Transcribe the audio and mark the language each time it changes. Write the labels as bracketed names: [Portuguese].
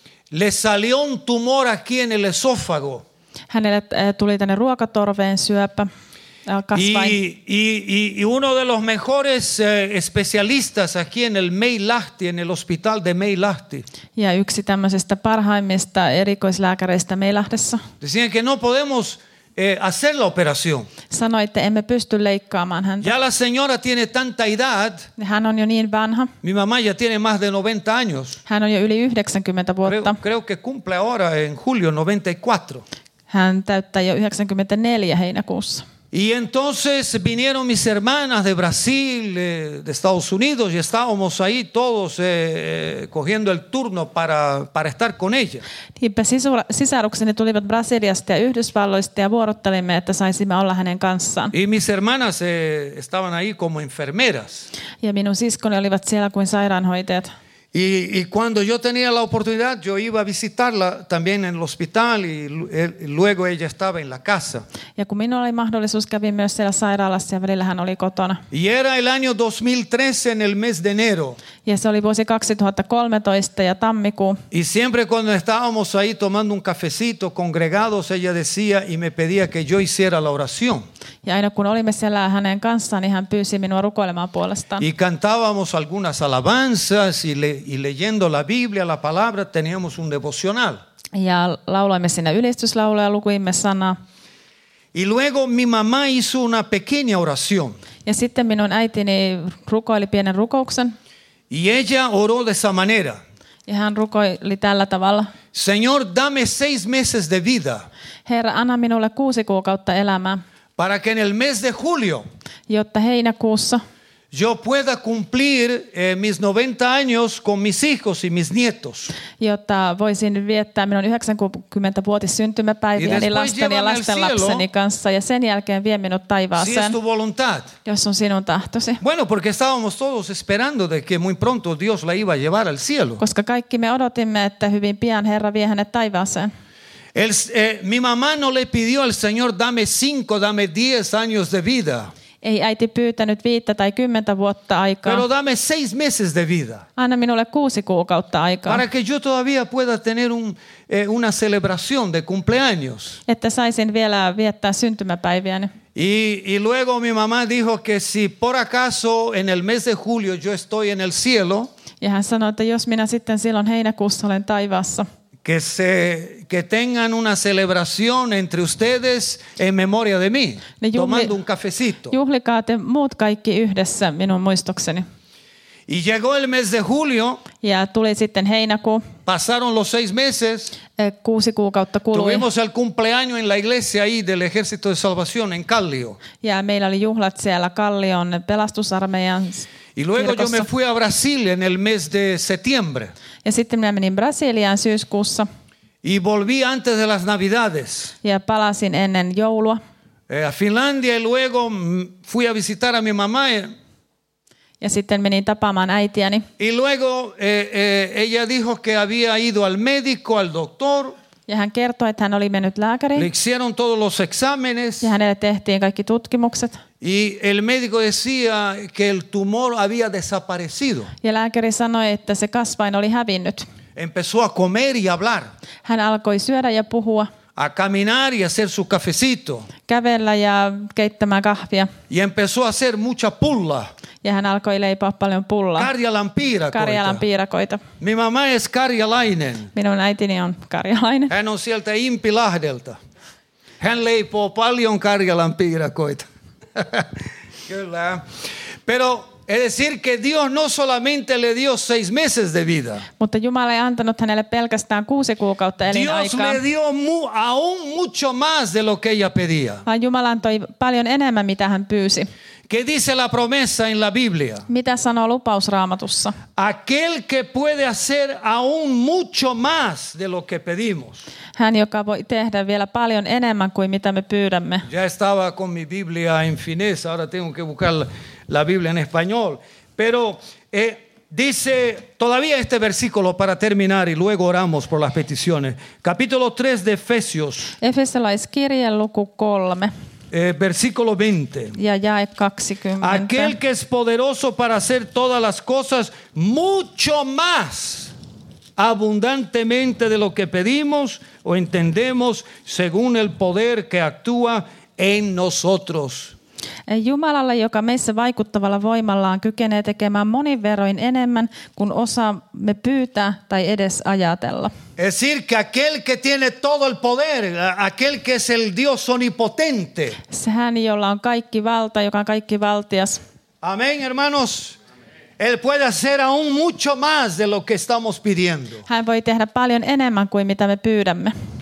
[Spanish] Le salió un tumor aquí en el esófago. [Finnish] Hänelle tuli tänne ruokatorveen syöpä. [Spanish] Y uno de los mejores especialistas aquí en el Meilahti, en el hospital de Meilahti. [Finnish] Ja yksi tämmöisestä parhaimmista erikoislääkäreistä Meilahdessa. [Spanish] Decían que no podemos hacer la operación. [Finnish] Sanoi, että emme pysty leikkaamaan häntä. [Spanish] Ya la señora tiene tanta edad. [Finnish] Hän on jo niin vanha. [Spanish] Mi mamá ya tiene más de 90 años. [Finnish] Hän on jo yli 90 vuotta. [Spanish] Creo que cumple ahora en julio 94. [Finnish] Hän täyttää jo 94 heinäkuussa. [Spanish] Y entonces vinieron mis hermanas de Brasil, de Estados Unidos, y estábamos ahí todos cogiendo el turno para estar con ella. [Finnish] Niinpä sisarukseni tulivat Brasiliasta ja Yhdysvalloista ja vuorottelimme, että saisimme olla hänen kanssaan. [Spanish] Y mis hermanas estaban ahí como enfermeras. [Finnish] Ja minun siskoni olivat siellä kuin sairaanhoitajat. [Spanish] Y cuando yo tenía la oportunidad, yo iba a visitarla también en el hospital y luego ella estaba en la casa. [Finnish] Ja kun minulla oli mahdollisuus, kävin myös siellä sairaalassa ja välillä hän oli kotona. [Spanish] Y era el año 2013 en el mes de enero. [Finnish] Ja se oli vuosi 2013 ja tammikuu. [Spanish] Y siempre cuando estábamos ahí tomando un cafecito, congregados, ella decía y me pedía que yo hiciera la oración. [Finnish] Ja aina kun olimme siellä hänen kanssaan, niin hän pyysi minua rukoilemaan puolestaan. [Spanish] Y cantábamos algunas alabanzas y leyendo la Biblia, la palabra, teníamos un devocional. [Finnish] Ja lauloimme siinä ylistyslauluja, lukuimme sanaa. [Spanish] Y luego mi mamá hizo una pequeña oración. [Finnish] Ja sitten minun äitini rukoili pienen rukouksen. [Spanish] Y ella oró de esa manera. [Finnish] Ja hän rukoili tällä tavalla. [Spanish] Señor, dame 6 meses de vida. [Finnish] Herra, anna minulle 6 kuukautta elämää. [Spanish] Para que en el mes de julio. [Finnish] Jotta heinäkuussa. [Spanish] Yo pueda cumplir mis 90 años con mis hijos y mis nietos. [Finnish] Jotta voisin viettää minun 90-vuotissyntymäpäiviäni lasteni ja lastenlapseni kanssa ja sen jälkeen vie minut taivaaseen. [Spanish] Si es tu voluntad. [Finnish] Jos on sinun tahtosi. [Spanish] Bueno, porque estábamos todos esperando de que muy pronto Dios la iba a llevar al cielo. [Finnish] Koska kaikki me odotimme, että hyvin pian Herra vie hänet taivaaseen. [Spanish] Mi mamá no le pidió al Señor dame 5, dame 10 años de vida. [Finnish] Ei äiti pyytänyt 5 tai 10 vuotta aikaa. [Spanish] Pero dame 6 meses de vida. [Finnish] Anna minulle 6 kuukautta aikaa. [Spanish] Para que yo todavía pueda tener una celebración de cumpleaños. [Finnish] Että saisin vielä viettää syntymäpäiviäni. [Spanish] Y luego mi mamá dijo que si por acaso en el mes de julio yo estoy en el cielo. [Finnish] Ja hän sanoi, että jos minä sitten silloin heinäkuussa olen taivaassa. [Spanish] Que tengan una celebración entre ustedes en memoria de mí, tomando un cafecito. [Finnish] Juhlikaa te muut kaikki yhdessä minun muistokseni. [Spanish] Y llegó el mes de julio. [Finnish] Ja tuli sitten heinäkuu. [Spanish] Pasaron los seis meses. [Finnish] Kuusi kuukautta kului. [Spanish] Tuvimos el cumpleaños en la iglesia ahí del Ejército de Salvación en Kallio. [Finnish] Ja meillä oli juhlat siellä Kallion pelastusarmeijan. [Spanish] Y luego yo me fui a Brasil en el mes de septiembre. [Finnish] Ja sitten minä menin Brasiliaan syyskuussa. [Spanish] Y volví antes de las Navidades. [Finnish] Ja palasin ennen joulua. [Spanish] A Finlandia y luego fui a visitar a mi mamá. [Finnish] Ja sitten menin tapaamaan äitiäni. [Spanish] Y luego ella dijo que había ido al médico, al doctor. [Finnish] Ja hän kertoi, että hän oli mennyt lääkäriin. [Spanish] Le hicieron todos los exámenes. [Finnish] Ja hänelle tehtiin kaikki tutkimukset. [Spanish] Y el médico decía que el tumor había desaparecido. [Finnish] Ja lääkäri sanoi, että se kasvain oli hävinnyt. [Spanish] Empezó a comer y hablar. [Finnish] Hän alkoi syödä ja puhua. [Spanish] A caminar y hacer su cafecito. [Finnish] Kävellä ya keittämään kahvia. [Spanish] Y empezó a hacer mucha pulla. [Finnish] Ja hän alkoi leipoa paljon pullaa. Karjalan piirakoita. Karjalan piirakoita. [Spanish] Mi mamá es karjalainen. [Finnish] Minun äitini on karjalainen. Hän on sieltä Impilahdelta. Hän leipoo paljon karjalan piirakoita. Kyllä. [Spanish] Pero es decir que Dios no solamente le dio seis meses de vida. [Finnish] Mutta Jumala ei antanut hänelle pelkästään kuusi kuukautta elinaikaa. [Spanish] Dios le dio aún mucho más de lo que ella pedía. [Finnish] Vaan Jumala antoi paljon enemmän, mitä hän pyysi. [Spanish] ¿Qué dice la promesa en la Biblia? [Finnish] Mitä sanoo lupaus Raamatussa? [Spanish] Aquel que puede hacer aún mucho más de lo que pedimos. [Finnish] Hän, joka voi tehdä vielä paljon enemmän kuin mitä me pyydämme. [Spanish] Ya estaba con mi Biblia en finés, ahora tengo que buscar la Biblia en español. Pero dice todavía este versículo para terminar y luego oramos por las peticiones. Capítulo 3 de Efesios. [Finnish] Efesolaiskirje luku 3. [Spanish] Versículo 20. [Finnish] Ja jae 20. [Spanish] Aquel que es poderoso para hacer todas las cosas mucho más abundantemente de lo que pedimos o entendemos según el poder que actúa en nosotros. [Finnish] Jumalalle, joka meissä vaikuttavalla voimallaan kykenee tekemään monin verroin enemmän kuin osaamme pyytää tai edes ajatella. [Spanish] Es decir, que aquel que tiene todo el poder, aquel que es el Dios omnipotente. [Finnish] Se hän, jolla on kaikki valta, joka on kaikki valtias. [Spanish] Amén, hermanos. Él puede hacer aún mucho más de lo que estamos pidiendo. [Finnish] Hän voi tehdä paljon enemmän kuin mitä me pyydämme.